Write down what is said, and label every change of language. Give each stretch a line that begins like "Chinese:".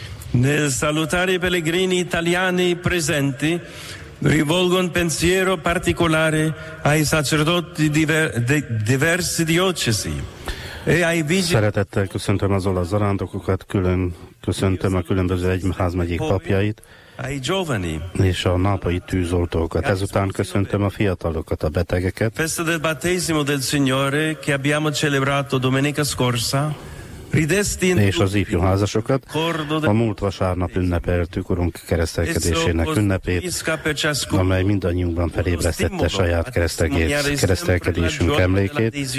Italian: Nel salutare i pellegrini italiani presenti, rivolgo un pensiero particolare ai sacerdoti diversi diocesi e ai vigili.
Hungarian: Szeretettel köszöntöm az olasz zarándokokat, külön köszöntöm a különböző egyházmegyék papjait,
Italian: ai giovani,
Hungarian: és a nápai tűzoltókat. Ezután köszöntöm a fiatalokat, a betegeket.
Italian: Festa del battesimo del Signore che abbiamo celebrato domenica scorsa.
Hungarian: És az ifjú házasokat, a múlt vasárnap ünnepeltük Urunk keresztelkedésének ünnepét, amely mindannyiunkban felébresztette saját keresztelkedésünk emlékét.